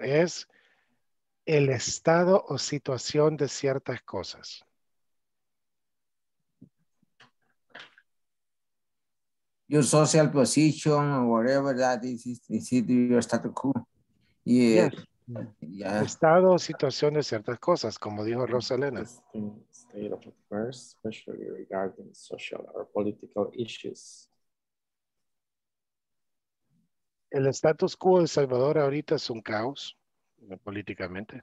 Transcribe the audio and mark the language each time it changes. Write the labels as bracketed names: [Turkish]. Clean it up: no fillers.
[Spanish] Es el estado o situación de ciertas cosas. [English] Your social position or whatever that is it your status quo? Yeah. Yes. Yeah. [Spanish] Estado o situación de ciertas cosas, como dijo Rosalena. [English] State of affairs, especially regarding social or political issues. [Spanish] El status quo de Salvador ahorita es un caos, políticamente.